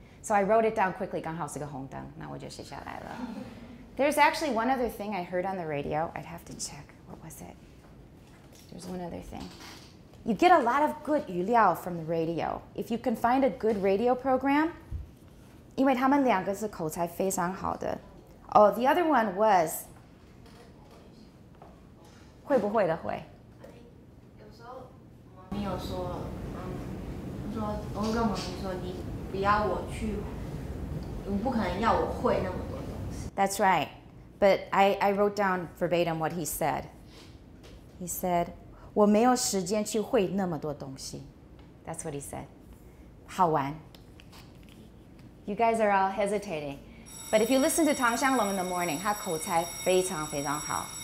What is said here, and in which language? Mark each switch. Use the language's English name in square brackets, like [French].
[English] So I wrote it down quickly, [Chinese] 刚好是个红灯, 那我就写下来了. [English] There's actually one other thing I heard on the radio. I'd have to check, what was it? There's one other thing. You get a lot of good 语料 from the radio. If you can find a good radio program, [Chinese] 因为他们两个是口才非常好的。 [English] Oh, the other one was [Chinese] 会不会的会。你有说，说我跟妈咪说，你不要我去，你不可能要我会那么多东西。 [English] That's right, but I wrote down verbatim what he said. He said, [Chinese] 我没有时间去会那么多东西。 [English] That's what he said. [Chinese] 好玩。 [English] You guys are all hesitating, but if you listen to Tang Xianglong in the morning, [Chinese] 他口才非常非常好。